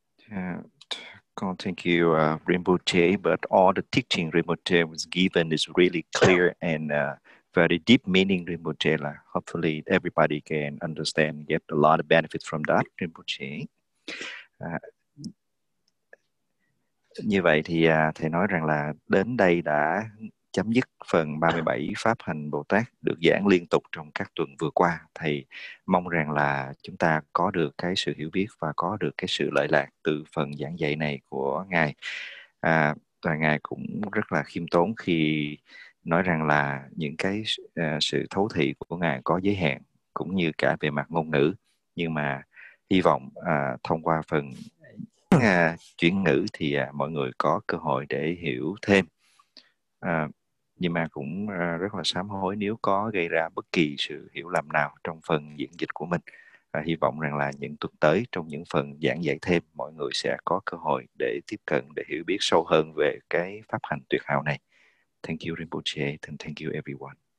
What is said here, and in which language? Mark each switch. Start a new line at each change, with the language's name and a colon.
English: Yeah. God, thank you, Rinpoche. But all the teaching Rinpoche was given is really clear and very deep meaning, Rinpoche. Hopefully everybody can understand, get a lot of benefit from that, Rinpoche.
Vietnamese: Như vậy thì thầy nói rằng là đến đây đã chấm dứt phần 37 pháp hành Bồ Tát được giảng liên tục trong các tuần vừa qua. Thầy mong rằng là chúng ta có được cái sự hiểu biết và có được cái sự lợi lạc từ phần giảng dạy này của Ngài. Và Ngài cũng rất là khiêm tốn khi nói rằng là những cái sự thấu thị của Ngài có giới hạn, cũng như cả về mặt ngôn ngữ. Nhưng mà hy vọng thông qua phần chuyển ngữ thì mọi người có cơ hội để hiểu thêm. Nhưng mà cũng rất là sám hối nếu có gây ra bất kỳ sự hiểu lầm nào trong phần diễn dịch của mình. Hy vọng rằng là những tuần tới trong những phần giảng dạy thêm, mọi người sẽ có cơ hội để tiếp cận, để hiểu biết sâu hơn về cái pháp hành tuyệt hảo này.
English: Thank you, Rinpoche, and thank you, everyone.